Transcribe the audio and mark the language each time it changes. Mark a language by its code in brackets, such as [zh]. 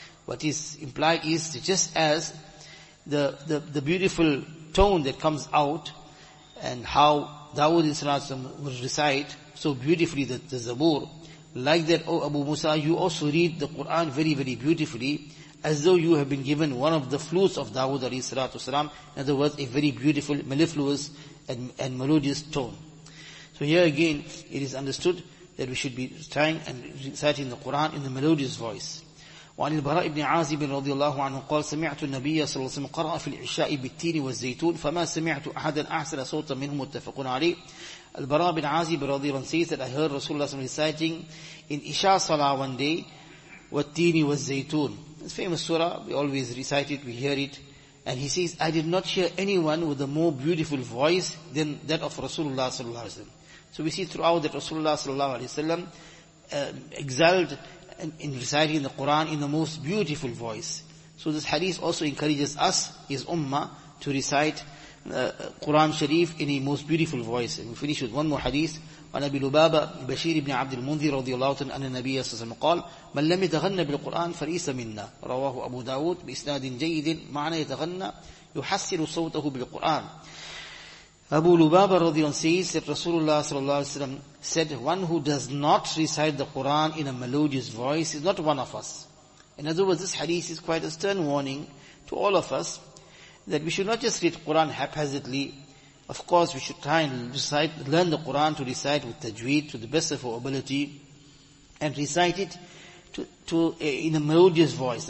[en] What is implied is just as the beautiful tone that comes out and how Dawood alayhi salatu wasalam would recite so beautifully the Zabur, like that, O Abu Musa, you also read the Quran very, very beautifully, as though you have been given one of the flutes of Dawood alayhi salatu wasalam. In other words, a very beautiful, mellifluous and melodious tone. So here again, it is understood that we should be trying and reciting the Quran in a melodious voice. [ar] وعن البراء بن عازب رضي الله عنه قال سمعت النبي صلى الله عليه وسلم قرأ في العشاء بالتين والزيتون فما سمعت أحدا أحسن صوتا منه متفق عليه. [en] البراء بن عازب رضي الله عنه says that I heard Rasulullah صلى الله عليه وسلم reciting in Isha Salah one day والتين والزيتون. It's a famous surah, we always recite it, we hear it. And he says, I did not hear anyone with a more beautiful voice than that of Rasulullah صلى الله عليه وسلم. So we see throughout that Rasulullah صلى الله عليه وسلم exalted in reciting the Quran in the most beautiful voice. So this hadith also encourages us, his ummah, to recite Quran Sharif in a most beautiful voice. And we finish with one more hadith. [ar] عن أبي لبابة بشير بن عبد المنذر رضي الله عنه أن النبي صلى الله عليه وسلم قال من لم يتغنى بالقرآن فليس منا رواه أبو داود بإسناد جيد معنى يتغنى يحسن صوته بالقرآن أبو لبابة رضي الله عنه [en] says that Rasulullah صلى الله عليه وسلم said one who does not recite the Quran in a melodious voice is not one of us. In other words, this hadith is quite a stern warning to all of us that we should not just read Quran haphazardly. Of course, we should try and recite, learn the Quran to recite with tajweed to the best of our ability and recite it in a melodious voice.